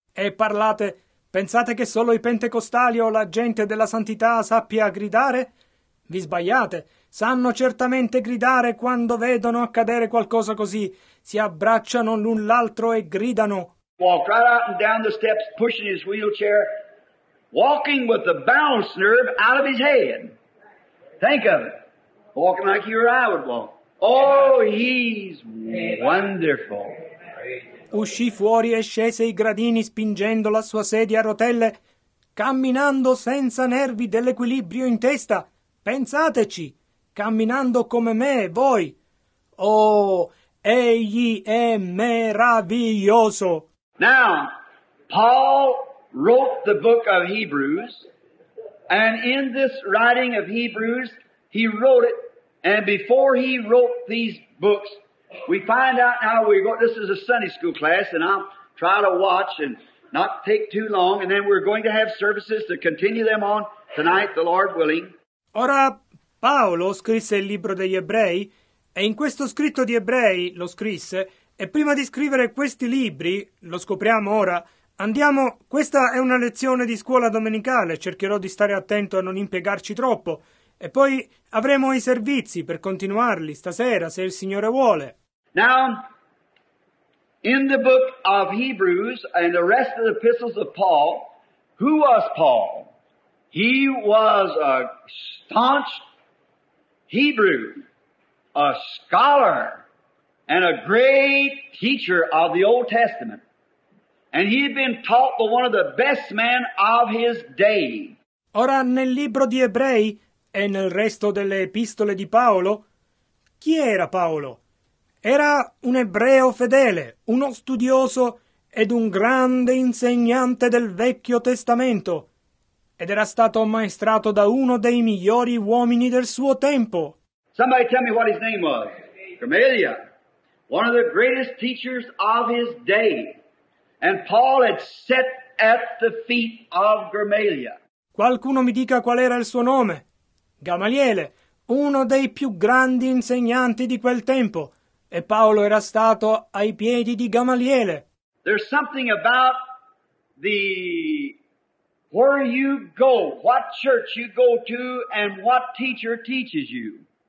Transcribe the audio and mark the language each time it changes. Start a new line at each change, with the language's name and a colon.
Italian: E parlate... Pensate che solo i pentecostali o la gente della santità sappia gridare? Vi sbagliate. Sanno certamente gridare quando vedono accadere qualcosa così. Si abbracciano l'un l'altro e gridano.
English: Walked right out and down the steps, pushing his wheelchair, walking with the balance nerve out of his head. Think of it. Walking like you or I would walk. Oh, he's wonderful.
Italian: Uscì fuori e scese i gradini spingendo la sua sedia a rotelle, camminando senza nervi dell'equilibrio in testa. Pensateci, camminando come me e voi. Oh, egli è meraviglioso!
English: Now, Paul wrote the book of Hebrews, and in this writing of Hebrews, he wrote it, and before he wrote these books, we find out now, we go, this is a Sunday school class, and I'll try to watch and not take too long, and then we're going to have services to continue them on tonight, the Lord willing.
Italian: Ora, Paolo scrisse il libro degli ebrei, e in questo scritto di ebrei lo scrisse, e prima di scrivere questi libri, lo scopriamo ora, andiamo, questa è una lezione di scuola domenicale, cercherò di stare attento a non impiegarci troppo. E poi avremo i servizi per continuarli stasera, se il Signore vuole.
English: Now, in the book of Hebrews and the rest of the epistles of Paul, who was Paul? He was a staunch Hebrew, a scholar, and a great teacher of the Old Testament. And he had been taught by one of the best men of his day.
Italian: Ora, nel libro di Ebrei e nel resto delle epistole di Paolo, chi era Paolo? Era un ebreo fedele, uno studioso ed un grande insegnante del Vecchio Testamento, ed era stato ammaestrato da uno dei migliori uomini del suo tempo.
English: Somebody tell me what his name was. Gamaliel, one of the greatest teachers of his day. And Paul had sat at the feet of Gamaliel.
Italian: Qualcuno mi dica qual era il suo nome. Gamaliele, uno dei più grandi insegnanti di quel tempo. E Paolo era stato ai piedi di Gamaliele.
English: There's something about the where you go, what church you go to, and what teacher teaches you.